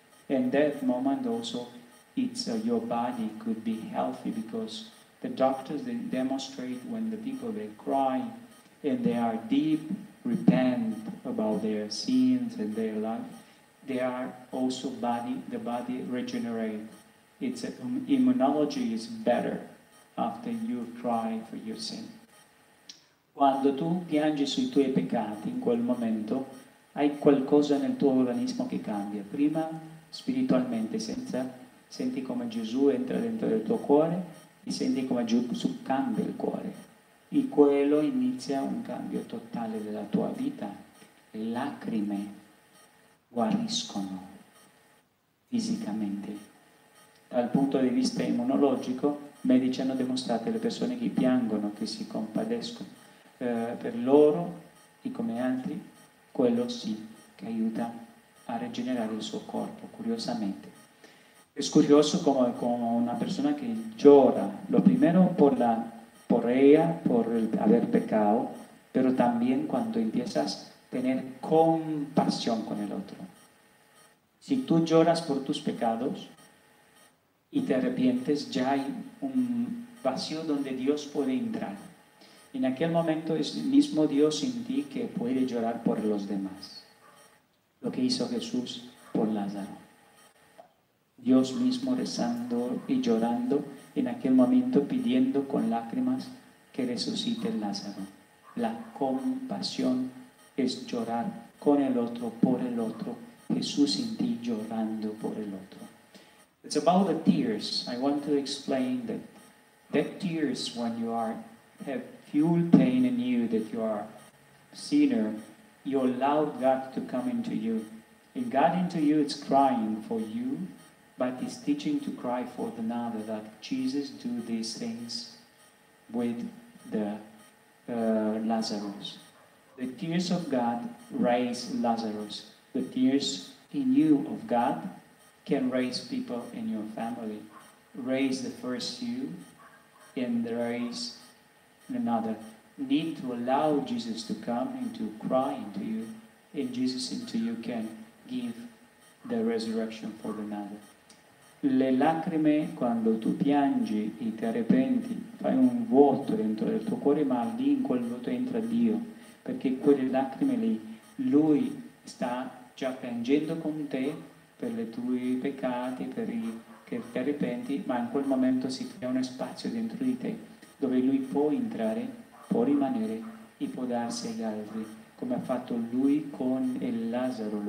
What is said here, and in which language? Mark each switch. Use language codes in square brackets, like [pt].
[en] In that moment also, it's your body could be healthy, because the doctors, they demonstrate when the people, they cry and they are deep, repent about their sins and their life, they are also body, the body regenerate. It's immunology is better after you cry for your sin. [it] Quando tu piangi sui tuoi peccati, in quel momento hai qualcosa nel tuo organismo che cambia. Prima spiritualmente senti come Gesù entra dentro del tuo cuore e senti come Gesù cambia il cuore. E quello inizia un cambio totale della tua vita. Le lacrime guariscono fisicamente. Dal punto di vista immunologico, i medici hanno dimostrato che le persone che piangono, che si compadescono per loro e come altri, quello sì che aiuta a regenerare il suo corpo, curiosamente. È curioso come una persona che [es] llora, lo primero por [it] aver peccato, però [es] también quando empiezas a tener compasión con el otro. Si tu lloras por tus pecados y te arrepientes, ya hay un vacío donde Dios puede entrar. En aquel momento es el mismo Dios en ti que puede llorar por los demás. Lo que hizo Jesús por Lázaro. Dios mismo rezando y llorando en aquel momento, pidiendo con lágrimas que resucite Lázaro. La compasión es llorar con el otro, por el otro. Jesús en ti llorando por el otro. [en] It's about the tears. I want to explain that tears, when you have fuel pain in you, that you are sinner, you allow God to come into you. And God into you is crying for you, but is teaching to cry for another, that Jesus do these things with the Lazarus. The tears of God raise Lazarus. The tears in you of God can raise people in your family, raise the first you, and raise another. Need to allow Jesus to come and to cry into you, and Jesus into you can give the resurrection for another. [it] Le lacrime, quando tu piangi e ti arrepenti, fai un vuoto dentro del tuo cuore, ma lì in quel vuoto entra Dio, perché quelle lacrime lì, Lui sta già piangendo con te per i tuoi peccati, per i che ti arrepenti, ma in quel momento si crea uno spazio dentro di te dove Lui può entrare, può rimanere e può darsi agli altri, come ha fatto Lui con il Lazzaro.